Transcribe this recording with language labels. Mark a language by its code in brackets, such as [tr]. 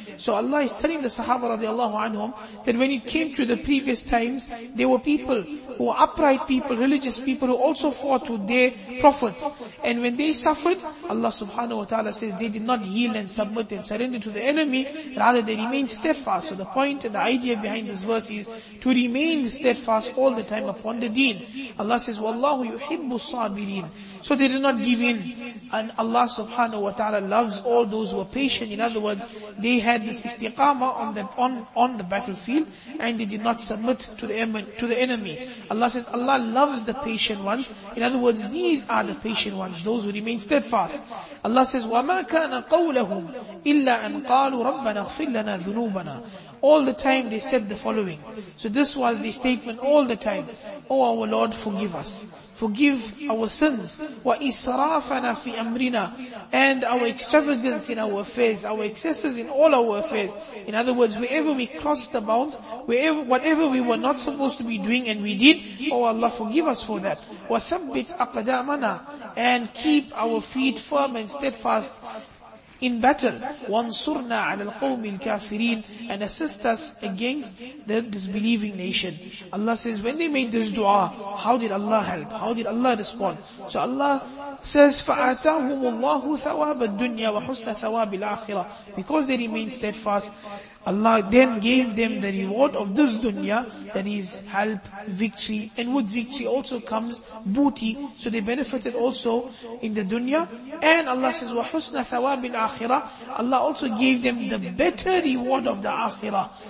[en] So Allah is telling the Sahaba radiallahu anhum that when it came to the previous times, there were people who were upright people, religious people, who also fought with their prophets. And when they suffered, Allah subhanahu wa ta'ala says they did not yield and submit and surrender to the enemy, rather they remained steadfast. So the point and the idea behind this verse is to remain steadfast all the time upon the deen. Allah says, [ar] وَاللَّهُ يُحِبُّ الصَّابِرِينَ. [en] So they did not give in. And Allah subhanahu wa ta'ala loves all those who are patient. In other words, they had this istiqamah on the battlefield, and they did not submit to the enemy. Allah says, Allah loves the patient ones. In other words, these are the patient ones, those who remain steadfast. Allah says, [ar] وَمَا كَانَ قَوْلَهُمْ إِلَّا أَنْ قَالُوا رَبَّنَا اغْفِرْ لَنَا ذُنُوبَنَا. [en] All the time they said the following. So this was the statement all the time. Oh, our Lord, forgive us. Forgive our sins. [ar] Wa israfana fi amrina. [en] And our extravagance in our affairs, our excesses in all our affairs. In other words, wherever we crossed the bounds, wherever, whatever we were not supposed to be doing and we did, oh Allah, forgive us for that. [ar] Wa thabbit aqdamana. [en] And keep our feet firm and steadfast in battle. [ar] وَانْصُرْنَا عَلَى الْقَوْمِ الْكَافِرِينَ. [en] And assist us against the disbelieving nation. Allah says, when they made this dua, how did Allah help? How did Allah respond? So Allah says, [ar] فَآتَاهُمُ اللَّهُ ثَوَابَ الدُّنْيَا وَحُسْنَ ثَوَابِ الْآخِرَةِ. [en] Because they remained steadfast, Allah then gave them the reward of this dunya, that is help, victory, and with victory also comes booty. So they benefited also in the dunya. And Allah says, [ar] وَحُسْنَ ثَوَابِ الْآخِرَةِ. [en] akhirah, Allah also gave them the better reward of the akhirah.